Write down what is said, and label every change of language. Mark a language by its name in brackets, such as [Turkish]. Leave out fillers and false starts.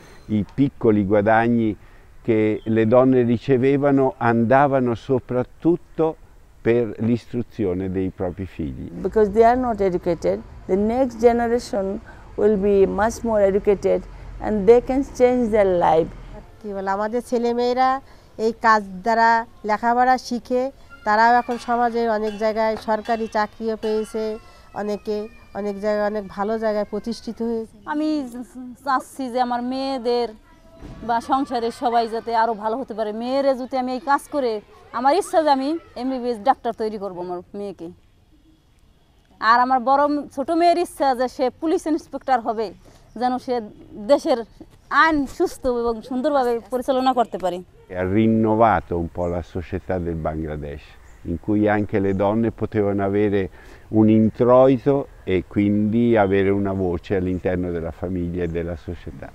[Italian] I piccoli guadagni che le donne ricevevano andavano soprattutto per l'istruzione dei propri figli. [English] Because they are not educated, the next generation will be much more educated and they can change their life. [Bangla] Che আমাদের ছেলেমেয়েরা এই কাজ দ্বারা লেখাপড়া শিখে তারাও এখন সমাজে অনেক জায়গায় সরকারি চাকরিও পেয়েছে অনেকে অনেক জায়গায় অনেক ভালো জায়গায় প্রতিষ্ঠিত হয়েছে। আমি চাচ্ছি যে আমার মেয়েদের বা সংসারের সবাই যাতে আরও ভালো হতে পারে। মেয়েরা যদি আমি এই কাজ করে আমার ইচ্ছা যে আমি MBBS ডাক্তার তৈরি করব আমার মেয়েকে, আর আমার বড় ছোট মেয়ের ইচ্ছা যে সে পুলিশ ইন্সপেক্টর হবে, যেন সে দেশের আইন সুস্থ এবং সুন্দরভাবে পরিচালনা করতে পারে। [Italian] Rinnovato un po' la società del Bangladesh, in cui anche le donne potevano avere un introito e quindi avere una voce all'interno della famiglia e della società.